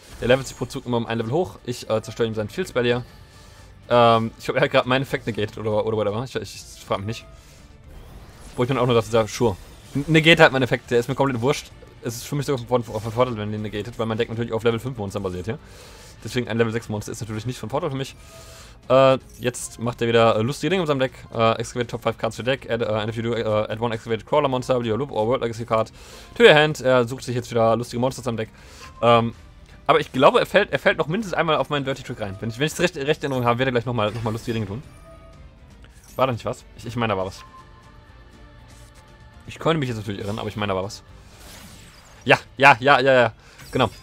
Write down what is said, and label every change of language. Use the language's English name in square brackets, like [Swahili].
[German] Der levelt sich pro Zug immer um ein Level hoch, ich zerstöre ihm seinen Field Spell hier. Ich glaube, er hat gerade meinen Effekt negated oder whatever, ich frage mich nicht. Wo ich dann auch nur dachte, sure. Negate halt meinen Effekt, der ist mir komplett wurscht. Es ist für mich sogar von Vorteil, wenn er den negated, weil mein Deck natürlich auf Level 5 Monster basiert hier. Ja? Deswegen ein Level 6 Monster ist natürlich nicht von Vorteil für mich. Jetzt macht er wieder lustige Dinge mit seinem Deck. [English] Excavate Top 5 Cards für Deck. Add one excavated Crawler Monster, your Loop or World Legacy Card to your hand. [German] Er sucht sich jetzt wieder lustige Monster zum Deck. Aber ich glaube, er fällt noch mindestens einmal auf meinen Dirty Trick rein. Wenn ich es recht in Erinnerung habe, werde er gleich nochmal lustige Dinge tun. War da nicht was? Ich meine, da war was. Ich könnte mich jetzt natürlich irren, aber ich meine, da war was. Ja. Genau.